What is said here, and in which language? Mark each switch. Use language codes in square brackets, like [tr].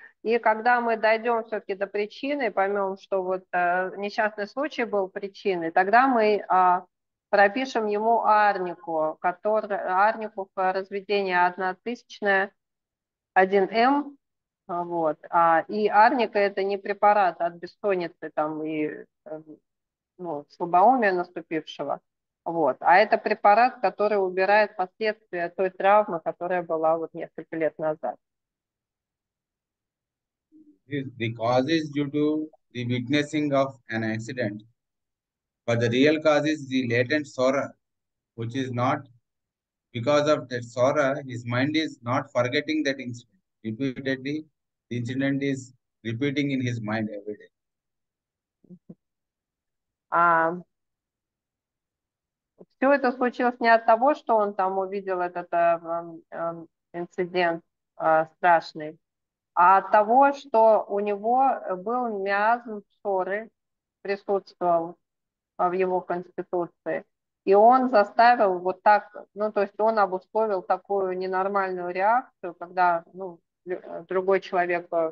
[ru] И когда мы дойдем все-таки до причины, поймем, что вот несчастный случай был причиной, тогда мы пропишем ему арнику, арнику в разведении 1000-ная, 1 м. Вот. И арника это не препарат от бессонницы там и слабоумия наступившего. Вот. А это препарат, который убирает последствия той травмы, которая была вот несколько лет назад. [en] The cause is due to the witnessing of an accident, but the real cause is the latent sorrow, which is not because of that sorrow, his mind is not forgetting that incident. Repeatedly, the incident is repeating in his mind every day. [ru] Все это случилось не от того, что он там увидел этот инцидент страшный, а от того, что у него был миазм ссоры, присутствовал в его конституции, и он заставил вот так, то есть он обусловил такую ненормальную реакцию, когда другой человек